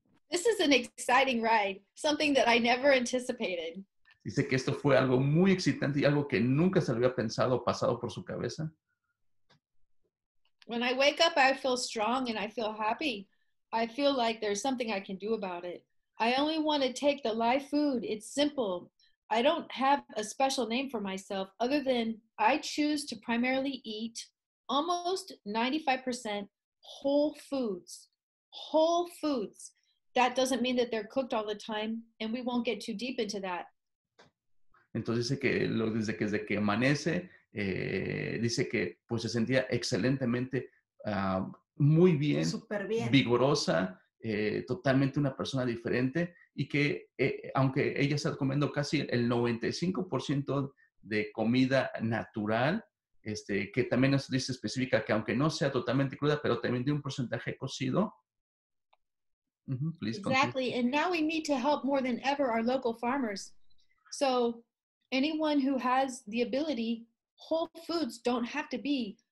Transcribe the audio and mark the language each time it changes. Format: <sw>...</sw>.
<en>This is an exciting ride, something that I never anticipated.</en> <es>Dice que esto fue algo muy excitante y algo que nunca se había pensado o pasado por su cabeza.</es> <en>When I wake up, I feel strong and I feel happy. I feel like there's something I can do about it. I only want to take the live food, it's simple. I don't have a special name for myself other than I choose to primarily eat almost 95% whole foods. Whole foods. That doesn't mean that they're cooked all the time, and we won't get too deep into that.</en> <es>Entonces dice que lo, desde que amanece, dice que pues se sentía excelentemente, muy bien, super bien, vigorosa, totalmente una persona diferente, y que aunque ella está comiendo casi el 95% de comida natural, este, que también nos dice específica que aunque no sea totalmente cruda, pero también de un porcentaje cocido.</es> <en>Please continue. Exactly, and now we need to help more than ever our local farmers. So anyone who has the ability, whole foods don't have to be.</en>